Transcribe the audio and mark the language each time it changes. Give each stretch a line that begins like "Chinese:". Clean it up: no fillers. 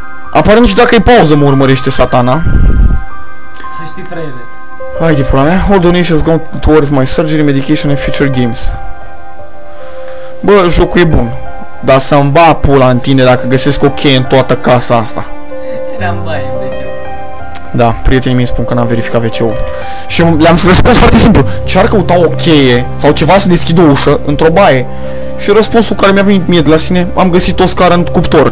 Romanian: Apare nici dacă e pauză, mă urmărește satana. Să știi, frate. Hai de pula mea.
English: All donations go towards my surgery, medication and future games.
Romanian: Bă, jocul e bun. Dar să-mi ba pula în tine dacă găsesc o cheie în toată casa asta. Eram baie în WC. Da, prietenii mi-i spun că n-am verificat WC-ul. Și le-am răspuns foarte simplu. Ce ar căuta o cheie sau ceva să deschidă o ușă într-o baie? Și răspunsul care mi-a venit mie de la sine, am găsit o scară în cuptor.